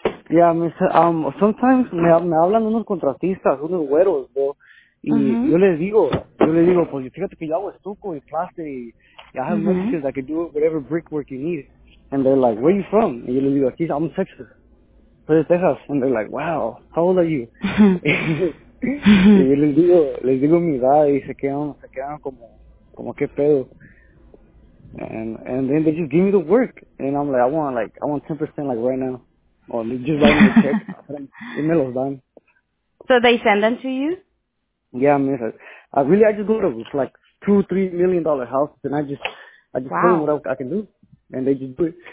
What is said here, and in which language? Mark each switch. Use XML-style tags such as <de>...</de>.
<en>Yeah, sometimes</en> <es>me hablan unos contratistas, unos güeros, bro. Y yo les digo, pues fíjate que yo hago estuco y plaster y</es> <en>I have Mexicans that can do whatever brickwork you need. And they're like, where are you from?</en> <es>Y yo les digo, aquí,</es> <en>I'm Texas.</en> <es>Soy de Texas.</es> <en>And they're like, wow, how old are you?</en> <es>Y yo les digo mi edad y se quedan como qué pedo.</es> <en>And then they just give me the work. And I'm like, I want 10% like right now. Or they just write me a check.</en> <es>Y me los dan.</es> <en>So they send them to you? Yeah, I mean, I just go to like $2-3 million houses and I just tell them what I can do and they just do it.</en>